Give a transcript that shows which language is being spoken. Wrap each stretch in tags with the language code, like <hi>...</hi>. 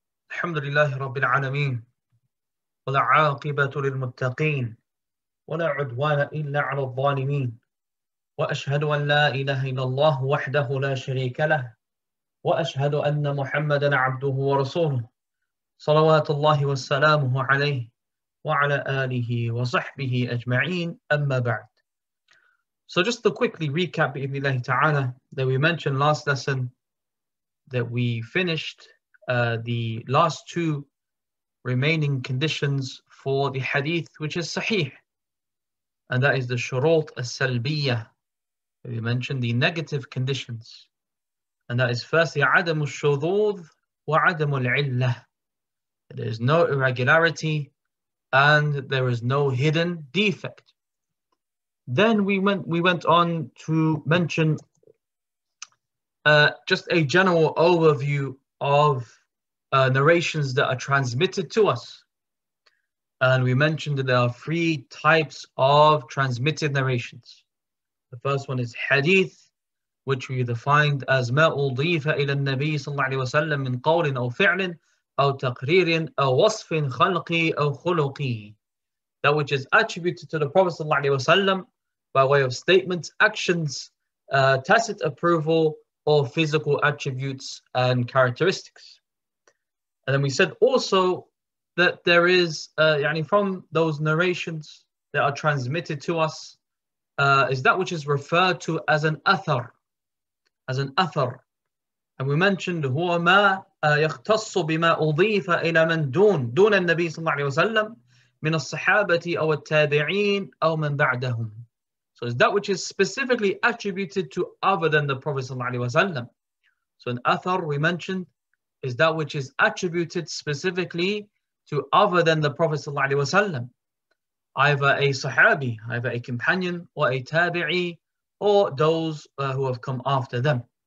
<ar>الحمد لله رب العالمين، ولا عاقبة للمتقين، ولا عدوان إلا على الظالمين. وأشهد أن لا إله إلا الله وحده لا شريك له، وأشهد أن محمدًا عبده ورسوله، صلوات الله وسلامه عليه وعلى آله وصحبه أجمعين. أما بعد،</ar> <en>so just to quickly recap</en> <ar>بإذن الله تعالى</ar> <en>that we mentioned last lesson, that we finished the last two remaining conditions for the hadith, which is sahih, and that is the shurut as-salbiyah. We mentioned the negative conditions, and that is firstly adam al-shudud wa adam al-illah. There is no irregularity and there is no hidden defect. Then we went on to mention just a general overview of narrations that are transmitted to us. And we mentioned that there are three types of transmitted narrations. The first one is hadith, which we defined as</en> <ar>ما أضيف إلى النبي صلى الله عليه وسلم من قول أو فعل أو تقرير أو وصف خلقي أو خلقي.</ar> <en>That which is attributed to the Prophet صلى الله عليه وسلم by way of statements, actions, tacit approval, or physical attributes and characteristics. And then we said also that there is, from those narrations that are transmitted to us, is that which is referred to as an athar, as an athar. And we mentioned</en> <ar>هو ما يختص بما أضيف إلى من دون النبي صلى الله عليه وسلم من الصحابة أو التابعين أو من بعدهم.</ar> <en>So is that which is specifically attributed to other than the Prophet صلى الله عليه وسلم. So an athar we mentioned is that which is attributed specifically to other than the Prophet sallallahu alaihi wasallam, either a sahabi, either a companion, or a tabi'i, or those who have come after them.</en>